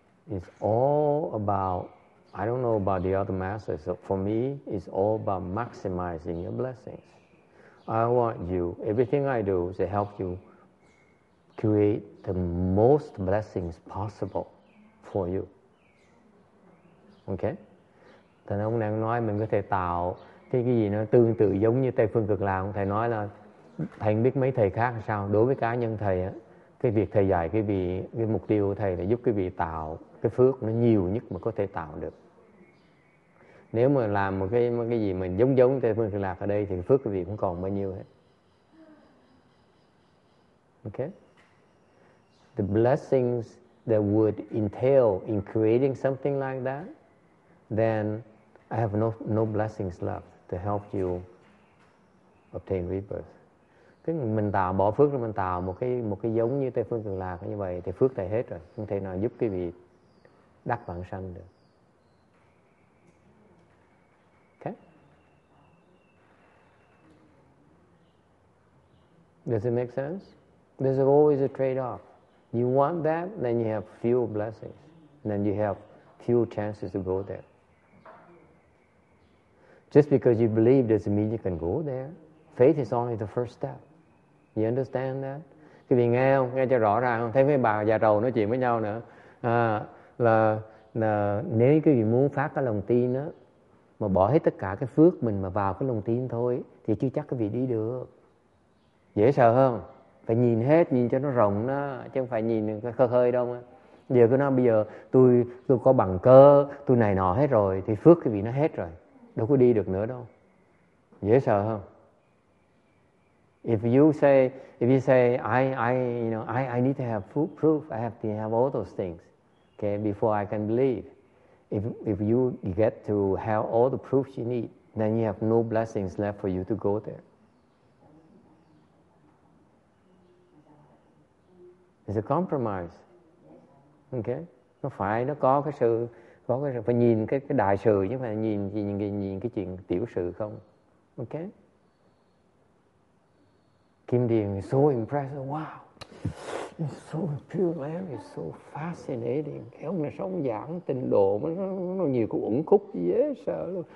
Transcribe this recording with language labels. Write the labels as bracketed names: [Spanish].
[English] It's all about, I don't know about the other masters, but for me, it's all about maximizing your blessings. I want you, everything I do is to help you create the most blessings possible for you. Okay? [Vietnamese] Thầy ông đang nói mình có thể tạo cái gì nó tương tự giống như Tây Phương Cực Lạc. Thầy nói là thầy không biết mấy thầy khác sao. Đối với cá nhân thầy, cái việc thầy dạy cái vị, cái mục tiêu của thầy là giúp cái vị tạo cái phước nó nhiều nhất mà có thể tạo được. Nếu mà làm một cái gì mình giống giống Tây Phương Cực Lạc ở đây thì phước cái vị cũng còn bao nhiêu hết. [English] Okay? The blessings that would entail in creating something like that, then I have no blessings left to help you obtain rebirth. [Vietnamese] Cái mình tạo bỏ phước rồi mình tạo một cái giống như Tây Phương Cực Lạc như vậy thì phước thầy hết rồi, không thể nào giúp cái vị đắc vãng sanh được. [English] Okay? Does it make sense? There's always a trade-off. You want that, then you have few blessings, then you have few chances to go there. Just because you believe doesn't mean you can go there. Faith is only the first step. You understand that? [Vietnamese] Cái vị nghe không? Nghe cho rõ ràng không? Thấy mấy bà già trầu nói chuyện với nhau nữa. Là nếu cái vị muốn phát cái lòng tin á, mà bỏ hết tất cả cái phước mình mà vào cái lòng tin thôi, thì chưa chắc cái vị đi được. Dễ sợ không? Phải nhìn hết, nhìn cho nó rộng đó, chứ không phải nhìn cái khơi khơi đâu. Giờ cứ nói bây giờ tôi có bằng cơ, tôi này nọ hết rồi, thì phước cái vị nó hết rồi. Đâu có đi được nữa đâu. Dễ sợ không? [English] If you say I need to have proof, I have to have all those things, okay, before I can believe. If you get to have all the proofs you need, then you have no blessings left for you to go there. It's a compromise, okay? [Vietnamese] Nó phải nó có cái sự phải nhìn cái đại sự chứ phải nhìn cái chuyện tiểu sự không, okay? [English] Kim Điền is so impressed. Wow, it's so pure land, it's so fascinating. [Vietnamese] Cái ông này sống giảng tình độ mà nó nhiều cái uẩn khúc dễ sợ luôn.